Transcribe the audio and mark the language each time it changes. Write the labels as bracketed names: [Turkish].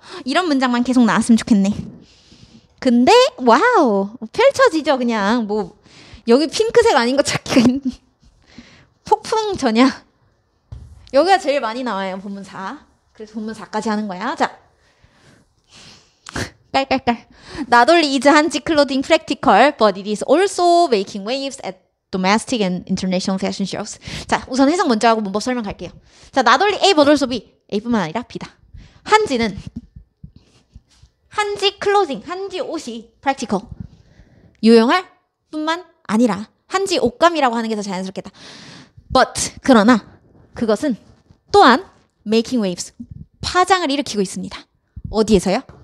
[Korean] 이런 문장만 계속 나왔으면 좋겠네. 근데, 와우. 펼쳐지죠, 그냥. 뭐, 여기 핑크색 아닌 거 찾기가 힘든. 폭풍 전야. 여기가 제일 많이 나와요, 본문 4. 그래서 본문 4까지 하는 거야. 자. 깔깔깔. [English] Not only is Hanji clothing practical, but it is also making waves at domestic and international fashion shows. [Korean] 자, 우선 해석 먼저 하고 문법 설명할게요. 자, Not only A, but also B. A뿐만 아니라 B다. 한지는 한지 클로징, 한지 옷이 practical. 유용할 뿐만 아니라 한지 옷감이라고 하는 게더 자연스럽겠다. But, 그러나 그것은 또한 making waves, 파장을 일으키고 있습니다. 어디에서요?